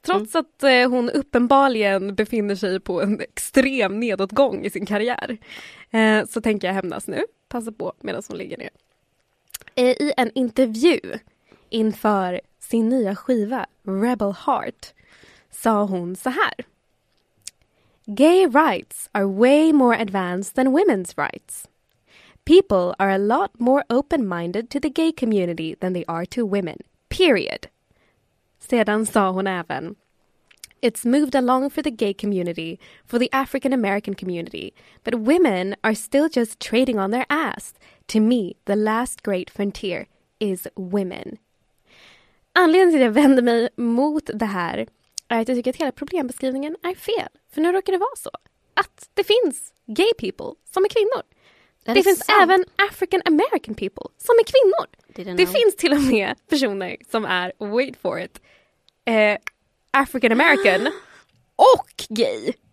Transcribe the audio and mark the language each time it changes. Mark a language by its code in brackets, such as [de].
[sv] Trots att hon uppenbarligen befinner sig på en extrem nedåtgång i sin karriär. Så tänker jag hämnas nu. Passa på medan hon ligger ner. I en intervju inför sin nya skiva Rebel Heart sa hon så här. [en] Gay rights are way more advanced than women's rights. People are a lot more open-minded to the gay community than they are to women, period. [sv] Sedan sa hon även, [en] it's moved along for the gay community, for the African-American community, but women are still just trading on their ass. To me, the last great frontier is women. [sv] Anledningen till att jag vänder mig mot det här är att jag tycker att hela problembeskrivningen är fel. För nu råkar det vara så att det finns [en] gay people [sv] som är kvinnor. Det finns även [en] African American people [sv] som är kvinnor. Det finns till och med personer som är, [en] wait for it, [sv] African American och gay.